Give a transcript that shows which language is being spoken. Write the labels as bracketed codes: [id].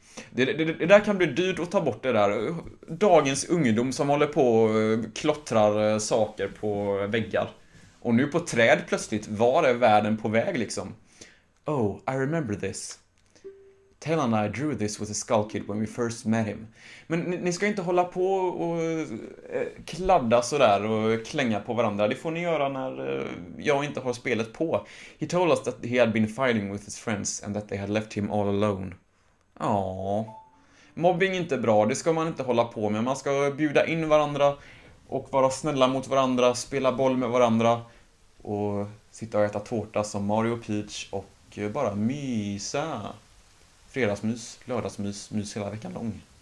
[sv] Det där kan bli dyrt att ta bort det där. Dagens ungdom som håller på och klottrar saker på väggar. Och nu på träd plötsligt, var är världen på väg liksom? [en] Oh, I remember this. Taylor and I drew this with a skull kid when we first met him. [sv] Men ni ska inte hålla på och kladda så där och klänga på varandra. Det får ni göra när jag inte har spelet på. [en] He told us that he had been fighting with his friends and that they had left him all alone. Aww. [sv] Mobbing är inte bra, det ska man inte hålla på med. Man ska bjuda in varandra och vara snälla mot varandra, spela boll med varandra och sitta och äta tårta som Mario Peach och bara mysa. Fredagsmys, lördagsmys, mys hela veckan lång.